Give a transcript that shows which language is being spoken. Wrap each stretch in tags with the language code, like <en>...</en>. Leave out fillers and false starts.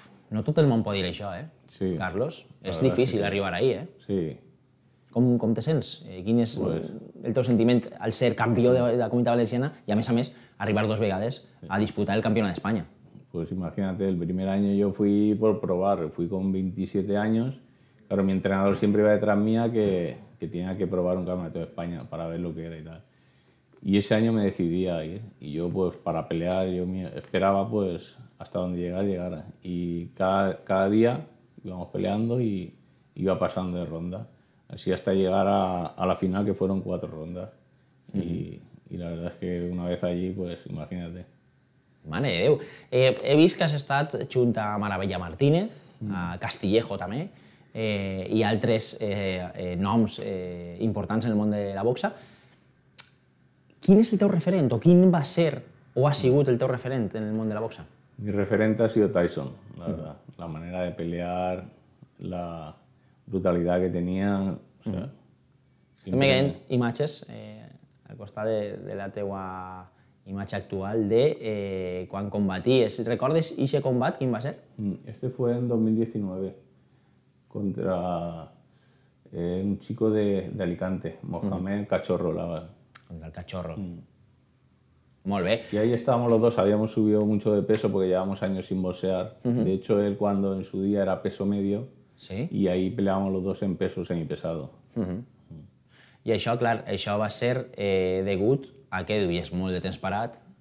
<ca>No tot el món pot dir això,</ca> <es>sí.</es> <ca>Carlos. És difícil arribar ahir, eh?</ca> <es>Sí.</es> <ca>Com te sents? Quin és el teu sentiment al ser campió de la Comunitat Valenciana i, a més, arribar dues vegades a disputar el campionat d'Espanya?</ca> <es>Pues imagínate, el primer año yo fui por probar, fui con 27 años. Claro, mi entrenador siempre iba detrás mía que tenía que probar un campeonato de España para ver lo que era y tal. Y ese año me decidí a ir. Y yo, pues para pelear, yo esperaba pues hasta donde llegara. Y cada día íbamos peleando y iba pasando de ronda. Así hasta llegar a la final, que fueron 4 rondas. Y la verdad es que una vez allí, pues imagínate.</es> <ca>Mare de Déu. He vist que has estat junt a Maravella Martínez, a Castillejo també, i altres noms importants en el món de la boxa. Quin és el teu referent, o quin va ser o ha sigut el teu referent en el món de la boxa?</ca> <es>Mi referent ha sido Tyson, la verdad. La manera de pelear, la brutalidad que tenía...</es> <ca>Estem veient imatges al costat de la teua... imatge actual de quan combaties. Recordes ixe combat, quin va ser?</ca> <es>Este fue en 2019 contra un chico de Alicante, Mohamed Cachorro.</es> <ca>Contra el Cachorro. Molt bé.</ca> <es>I ahí estábamos los dos, habíamos subido mucho de peso porque llevábamos años sin boxear. De hecho, él cuando en su día era peso medio, ¿sí?, y ahí peleábamos los dos en peso semipesado.</es> <ca>I això, clar, això va ser degut a que duies molt de temps parat.</ca>